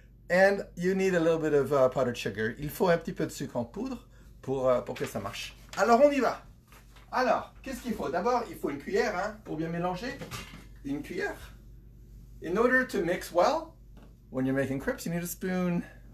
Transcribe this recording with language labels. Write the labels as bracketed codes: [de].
[en] And you need a little bit of powdered sugar. [fr] Il faut un petit peu de sucre en poudre pour que ça marche. Alors, on y va. Alors, qu'est-ce qu'il faut? D'abord, il faut une cuillère hein, pour bien mélanger. Une cuillère. [en] In order to mix well, when you're making crepes, you need a spoon.